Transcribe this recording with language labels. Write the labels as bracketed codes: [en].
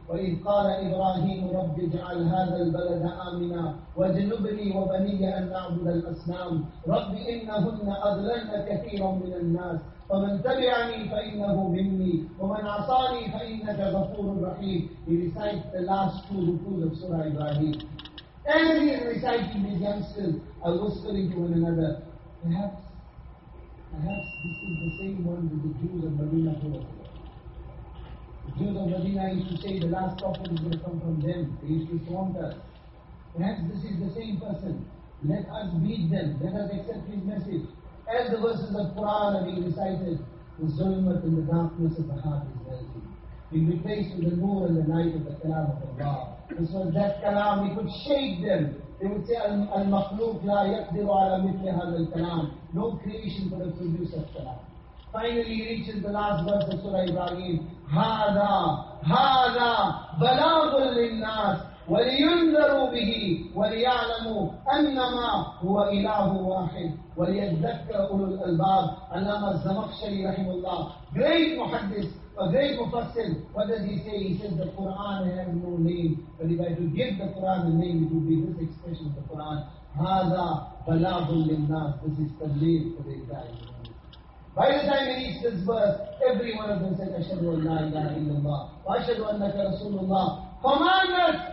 [ar] وَإِذْ قَالَ إِبْرَاهِيمُ رَبِّ اجْعَلْ هَذَا الْبَلَدَ آمِنًا وَاجْنُبْنِي وَبَنِيَّ أَنْ نَعْبُدَ الْأَصْنَامَ رَبِّ إِنَّهُنَّ أَضْلَلْنَ كَثِيرًا مِنَ النَّاسِ فَمَنْ تَبِعَنِي فَإِنَّهُ مِنِّي وَمَنْ عَصَانِي فَإِنَّكَ غَفُورٌ رَحِيمٌ. [en] He recites the last two rukus of Surah Ibrahim. As he is reciting, these youngsters are whispering to one another, Perhaps this is the same one that the Jews of Medina told. The Jews of Medina used to say the last prophet is going to come from them. They used to taunt us. Perhaps this is the same person. Let us meet them. Let us accept his message. As the verses of Quran are being recited, the zulmat and the darkness of the heart is melting. We replaced with the noor and the light of the kalam of Allah. And so that kalam, we could shake them. They would say, [ar] Al-Makhluq la yaqdiru ala mithli hadha al-kalam. [en] No creation could have produced such kalam. Finally, he reaches the last verse of Surah Ibrahim. [ar] Hada, balagul linnas, wa liyundaru bi ربه وليعلم أنما هو إله واحد وليذكر أولو الألباب علامة الزمخشري رحمه الله great محدث a great مفصل. [en] What does he say? He says the Quran has no name, but if I to give the Quran a name, it would be this expression of the Quran: [ar] هذا بلاغ للناس. [en] This is تبليغ for the entire world. By the time he reached this verse, every one of them said, [ar] أَشْهَدُ أَنْ لَا إِلَهَ إِلَّا اللَّهِ وَأَشْهَدُ أَنَّكَ رَسُولُ اللَّهِ [en] Command us!